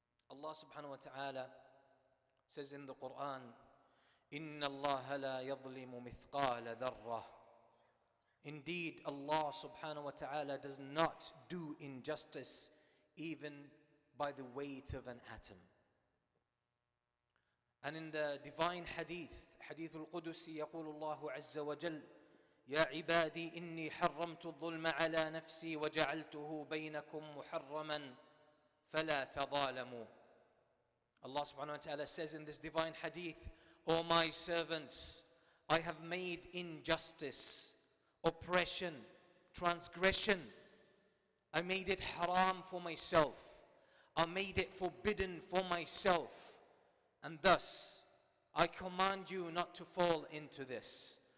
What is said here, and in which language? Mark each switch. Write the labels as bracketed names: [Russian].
[English] Allah subhanahu wa ta'ala says in the Quran, [Arabic] إِنَّ اللَّهَ لَا يَظْلِمُ مِثْقَالَ ذَرَّةٍ. [English] Indeed, Allah subhanahu wa ta'ala does not do injustice even by the weight of an atom. And in the divine hadith, Hadith al-Qudusi, [Arabic] يقول الله عز وجل, يا عبادي إني حرمت الظلم على نفسي وجعلته بينكم محرما فلا تظالموا. [English] Allah subhanahu wa ta'ala says in this divine hadith, O my servants, I have made injustice, oppression, transgression, I made it haram for myself, I made it forbidden for myself, and thus I command you not to fall into this.